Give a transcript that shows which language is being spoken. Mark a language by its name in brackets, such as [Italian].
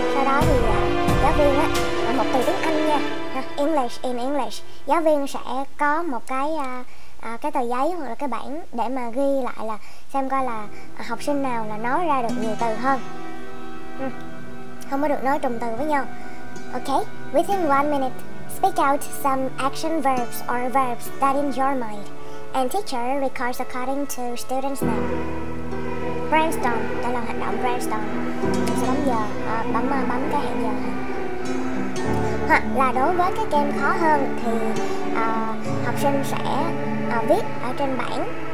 [Vietnamese] Sau đó thì giáo viên á, một từ tiếng Anh nha, [English] English in English, [Vietnamese] giáo viên sẽ có một cái tờ giấy hoặc là cái bảng để mà ghi lại là xem coi là học sinh nào là nói ra được nhiều từ hơn. Không có được nói trùng từ với nhau. [English] Ok, within 1 minute, speak out some action verbs or verbs that in your mind, and teacher records according to students' name. [Vietnamese] Brainstorm, đó là hành động brainstorm. Sẽ bấm giờ, bấm cái hẹn giờ. Hoặc là đối với cái game khó hơn thì học sinh sẽ viết ở trên bảng.